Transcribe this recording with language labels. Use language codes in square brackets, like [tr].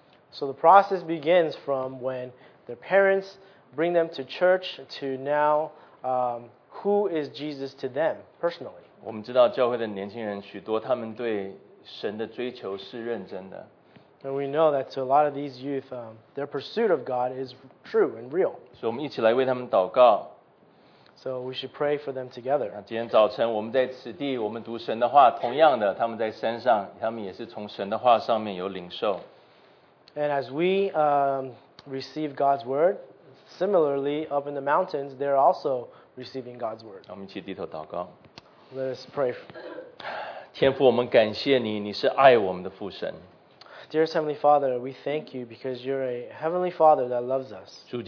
[en] So the process begins from when their parents bring them to church to now, who is Jesus to them personally? [zh] 我们知道教会的年轻人许多，他们对神的追求是认真的。And [en] we know that to a lot of these youth, their pursuit of God is true and real. [zh] 所以我们一起来为他们祷告。So [en] we should pray for them together. [zh] 今天早晨我们在此地，我们读神的话，同样的，他们在山上，他们也是从神的话上面有领受。And [en] as we receive God's word, similarly, up in the mountains, they're also receiving God's word. Let us pray. [zh] 天父，我们感谢你，你是爱我们的父神。 [en] Dearest Heavenly Father, we thank you because you're a Heavenly Father that loves us.